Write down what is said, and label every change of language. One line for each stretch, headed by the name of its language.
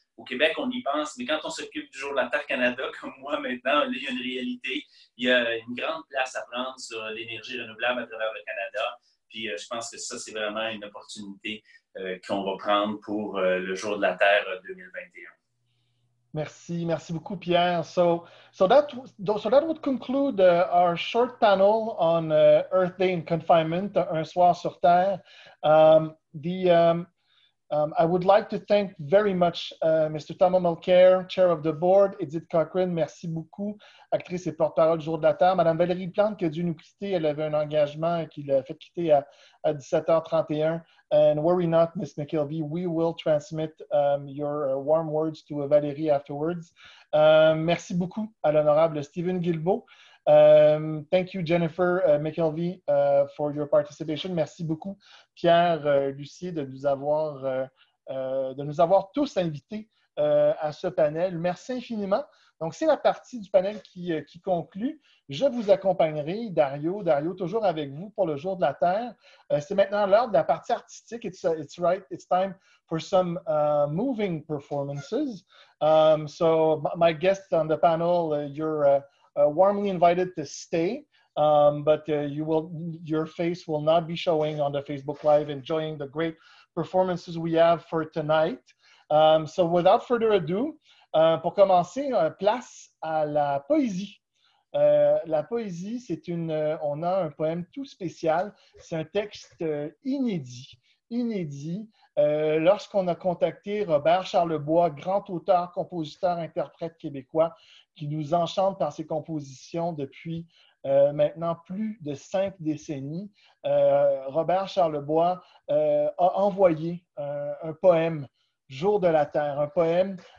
French: Au Québec, on y pense, mais quand on s'occupe du jour de la Terre Canada, comme moi maintenant, là, il y a une réalité. Il y a une grande place à prendre sur l'énergie renouvelable à travers le Canada. Puis je pense que ça, c'est vraiment une opportunité qu'on va prendre pour le jour de la Terre 2021. Merci. Merci beaucoup, Pierre.
English: So that would conclude our short panel on Earth Day and Confinement,
French: Un soir sur Terre.
English: I would like to thank very much Mr.
French: Thomas Mulcair, Chair of the Board, Edith Cochran, merci beaucoup, actrice et porte-parole du Jour de la Terre, Madame Valérie Plante, qui a dû nous quitter, elle avait un engagement qui l'a fait quitter à 17h31.
English: And worry not, Ms. McKelvie, we will transmit your warm words to Valérie afterwards.
French: Merci beaucoup à l'honorable Stephen Guilbeault.
English: Thank you, Jennifer McKelvie, for your participation.
French: Merci beaucoup, Pierre Lucier, de nous avoir tous invités à ce panel. Merci infiniment. Donc, c'est la partie du panel qui conclut. Je vous accompagnerai, Dario, toujours avec vous pour le jour de la Terre. C'est maintenant l'heure de la partie artistique.
English: It's time for some moving performances. So, my guest on the panel, you're warmly invited to stay, but your face will not be showing on the Facebook Live enjoying the great performances we have for tonight. So without further ado,
French: pour commencer, place à la poésie. La poésie, c'est on a un poème tout spécial. C'est un texte inédit. Lorsqu'on a contacté Robert Charlebois, grand auteur, compositeur, interprète québécois, qui nous enchante par ses compositions depuis maintenant plus de 5 décennies, Robert Charlebois a envoyé un poème, Jour de la Terre, un poème